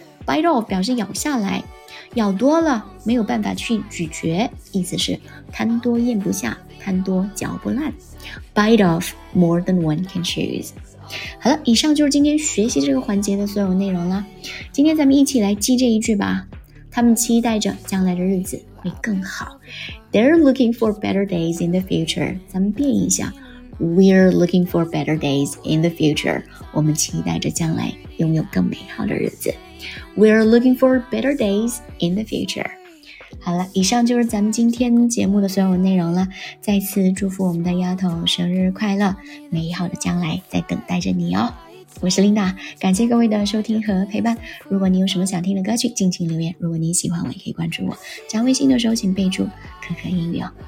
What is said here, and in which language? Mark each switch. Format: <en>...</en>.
<zh>Bite off 表示咬下来，咬多了没有办法去咀嚼，意思是贪多咽不下，贪多嚼不烂。</zh> <en>Bite off more than one can chew.</en> <zh>好了，以上就是今天学习这个环节的所有内容了。今天咱们一起来记这一句吧。他们期待着将来的日子会更好。</zh> <en>They're looking for better days in the future.</en> <zh>咱们变一下。</zh> <en>We're looking for better days in the future.</en> <zh>我们期待着将来拥有更美好的日子。</zh> <en>We're looking for better days in the future.</en> <zh>好了，以上就是咱们今天节目的所有内容了。再次祝福我们的丫头生日快乐，美好的将来在等待着你哦。我是 Linda， 感谢各位的收听和陪伴。如果你有什么想听的歌曲，尽情留言。如果你喜欢我，也可以关注我。加微信的时候请备注“可可英语”哦。</zh>